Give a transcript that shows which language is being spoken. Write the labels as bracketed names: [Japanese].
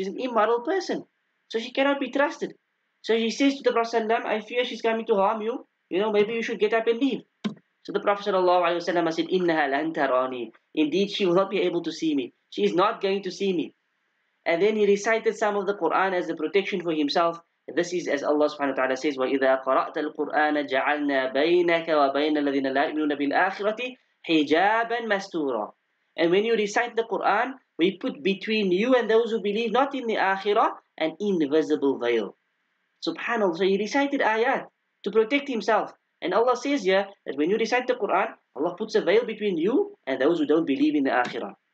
[English] She's an immoral person, so she cannot be trusted. So she says to the Prophet, "I fear she's coming to harm you. You know, maybe you should get up and leave." So the Prophet ﷺ said, [Arabic] "Innaha lan tarani. [English] Indeed, she will not be able to see me. She is not going to see me." And then he recited some of the Quran as a protection for himself. This is as Allah subhanahu wa ta'ala says, [Arabic] "وَإِذَا قَرَأْتَ الْقُرْآنَ جَعَلْنَا بَيْنَكَ وَبَيْنَ الَّذِينَ لَا يُؤْمِنُونَ بِالْآخِرَةِ حِجَابًا مَسْتُورًا." [English] And when you recite the Quran, we put between you and those who believe not in the Akhirah an invisible veil. Subhanallah. So he recited ayat to protect himself. And Allah says here that when you recite the Quran, Allah puts a veil between you and those who don't believe in the Akhirah.